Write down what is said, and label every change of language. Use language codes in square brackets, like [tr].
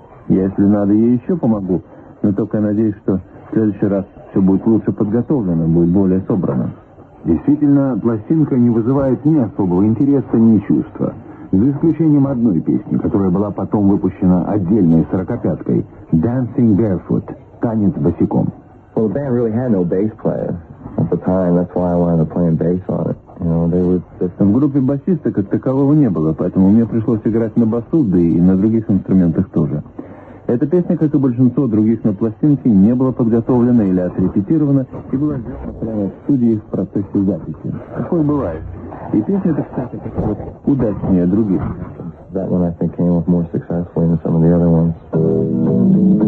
[ru] Я, если надо, ей еще помогу, но только надеюсь, что в следующий раз все будет лучше подготовлено, будет более собрано. Действительно, пластинка не вызывает ни особого интереса, ни чувства. За исключением одной песни, которая была потом выпущена отдельной 45-кой, «Dancing Barefoot» — «Танец босиком». [en] Well, the band really had no bass player at the time, that's why I wanted to play in bass on it. You know, they were just... [ru] В группе басиста как такового не было, поэтому мне пришлось играть на басу, да и на других инструментах тоже. Эта песня, как и большинство других на пластинке, не была подготовлена или отрепетирована и была сделана прямо в студии в процессе записи. Такое бывает. И песня эта, кстати, как вот удачнее других. [en] That one, I think, came off more successfully than some of the other ones.